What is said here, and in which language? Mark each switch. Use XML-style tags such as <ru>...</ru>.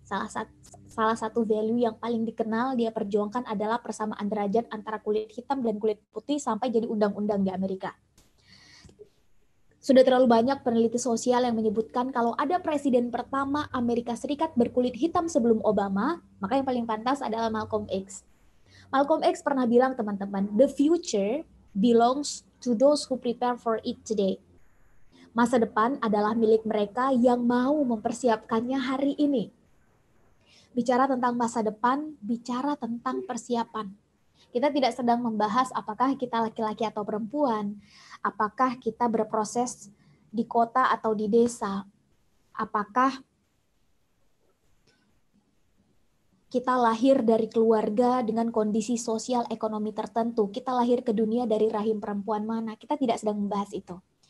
<id>Salah satu value yang paling dikenal dia perjuangkan adalah persamaan derajat antara kulit hitam dan kulit putih sampai jadi undang-undang di Amerika. Sudah terlalu banyak peneliti sosial yang menyebutkan kalau ada presiden pertama Amerika Serikat berkulit hitam sebelum Obama, maka yang paling pantas adalah Malcolm X.</id> <en>Malcolm X</en> <id>pernah bilang, teman-teman,</id> <en>"The future belongs to those who prepare for it today."</en> <id>Masa depan adalah milik mereka yang mau mempersiapkannya hari ini. Bicara tentang masa depan, bicara tentang persiapan. Kita tidak sedang membahas apakah kita laki-laki atau perempuan, apakah kita berproses di kota atau di desa, apakah kita lahir dari keluarga dengan kondisi sosial ekonomi tertentu, kita lahir ke dunia dari rahim perempuan mana, kita tidak sedang membahas itu.</id>